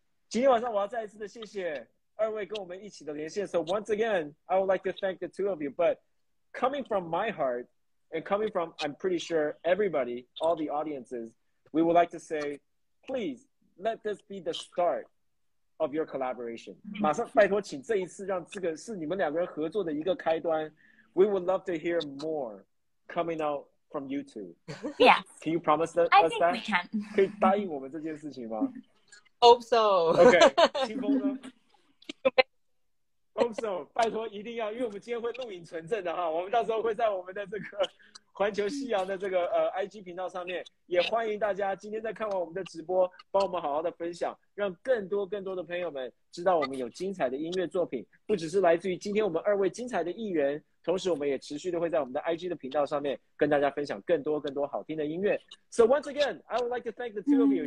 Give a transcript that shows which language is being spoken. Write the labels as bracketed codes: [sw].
[zh] 今天晚上我要再一次的谢谢二位跟我们一起的连线。 [en] So once again, I would like to thank the two of you, but coming from my heart and coming from, I'm pretty sure, everybody, all the audiences, we would like to say, please, let this be the start of your collaboration. [zh] 马上拜托请这一次让这个是你们两个人合作的一个开端。 [en] We would love to hear more coming out from you two. Yes. Can you promise us that? I think we can. [zh] 可以答应我们这件事情吗？ [en] Hope so. [zh] Okay. 清风呢？ [en] Hope so, [zh] 拜托一定要，因为我们今天会录影存证的哈，我们到时候会在我们的这个环球夕阳的这个IG 频道上面，也欢迎大家今天在看完我们的直播，帮我们好好的分享，让更多更多的朋友们知道我们有精彩的音乐作品，不只是来自于今天我们二位精彩的艺人，同时我们也持续的会在我们的 IG 的频道上面跟大家分享更多更多好听的音乐。 [en] So once again, I would like to thank the two of you.